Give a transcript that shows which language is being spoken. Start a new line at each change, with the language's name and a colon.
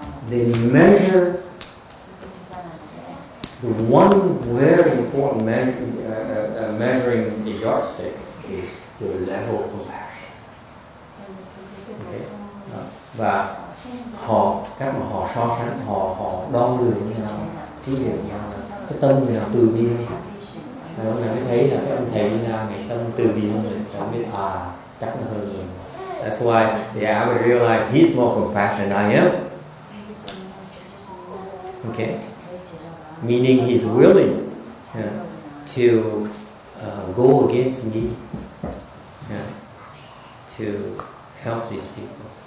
English: They measure the one very important measuring the yardstick is your level of compassion. Okay.
Vietnamese: Và họ các mà họ so sánh họ đo lường với nhau thí nghiệm nhau cái tâm người nào từ bi hơn người mới thấy là cái ông thầy Duy Na ngày tâm từ bi hơn mình sẽ biết à chắc nó hơn mình.
English: That's why yeah I would realize he's more compassionate than I am. Okay, meaning he's willing to go against me to help these people.